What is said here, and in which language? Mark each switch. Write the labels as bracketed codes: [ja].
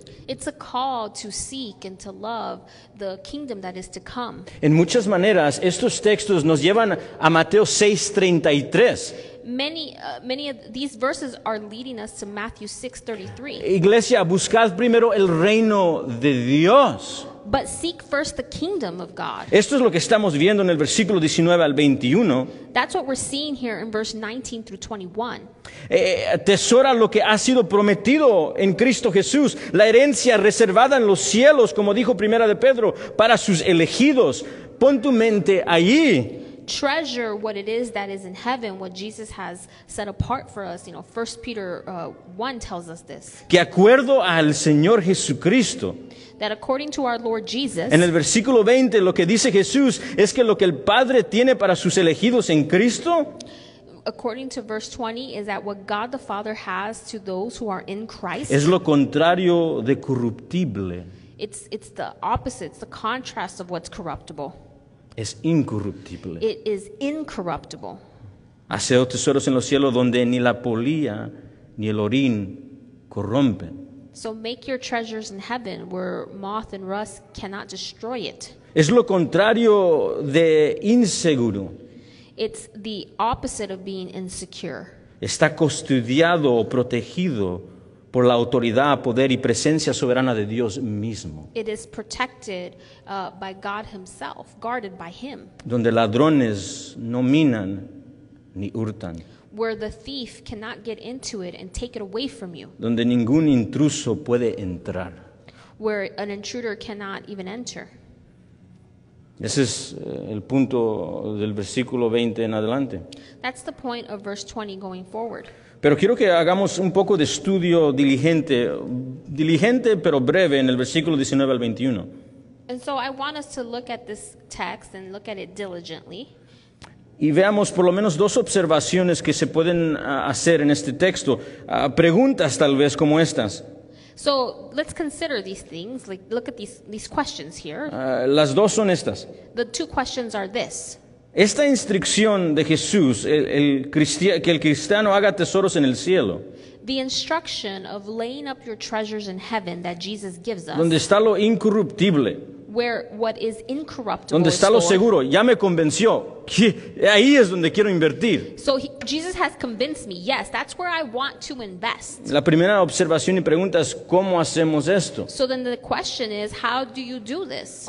[en] It's a call to seek and to love the kingdom that is to come. [es] En muchas maneras, estos textos nos llevan a Mateo 6:33. [en] Many of these verses are leading us to Matthew 6:33. [es] Iglesia, buscad primero el reino de Dios. [en] But seek first the kingdom of God. [es] Esto es lo que estamos viendo en el versículo 19 al 21. [en] That's what we're seeing here in verse 19 through 21. [es] Atesora lo que ha sido prometido en Cristo Jesús, la herencia reservada en los cielos, como dijo primera de Pedro, para sus elegidos. Pon tu mente allí. [en] Treasure what it is that is in heaven, what Jesus has set apart for us. You know, 1 Peter 1 tells us this. [es] Que acuerdo al Señor Jesucristo. [en] That according to our Lord Jesus. [es] En el versículo 20, lo que dice Jesús es que lo que el Padre tiene para sus elegidos en Cristo. [en] According to verse 20, is that what God the Father has to those who are in Christ. [es] Es lo contrario de corruptible. [en] It's the opposite, it's the contrast of what's corruptible. [es] Es incorruptible. [en] It is incorruptible. [es] Haced tesoros en los cielos donde ni la polilla ni el orín corrompen. [en] So make your treasures in heaven where moth and rust cannot destroy it. [es] Es lo contrario de inseguro. [en] It's the opposite of being insecure. [es] Está custodiado o protegido por la autoridad, poder y presencia soberana de Dios mismo. [en] It is protected by God himself, guarded by him. [es] Donde ladrones no minan ni hurtan. [en] Where the thief cannot get into it and take it away from you. [es] Donde ningún intruso puede entrar. [en] Where an intruder cannot even enter. [es] Ese es el punto del versículo 20 en adelante. [en] That's the point of verse 20 going forward. [es] Pero quiero que hagamos un poco de estudio diligente pero breve en el versículo 19 al 21. [en] And so I want us to look at this text and look at it diligently. [es] Y veamos por lo menos dos observaciones que se pueden hacer en este texto. Preguntas tal vez como estas. [en] So let's consider these things, like look at these questions here. [es] Las dos son estas. [en] The two questions are this. [es] Esta instrucción de Jesús, que el cristiano haga tesoros en el cielo. [en] The instruction of laying up your treasures in heaven that Jesus gives us. [es] Donde está lo incorruptible. [en] Where what is incorruptible. [es] Donde está lo seguro. Ya me convenció. Ahí es donde quiero invertir. [en] So Jesus has convinced me. Yes, that's where I want to invest. [es] La primera observación y pregunta es, ¿cómo hacemos esto? [en] So then the question is, how do you do this?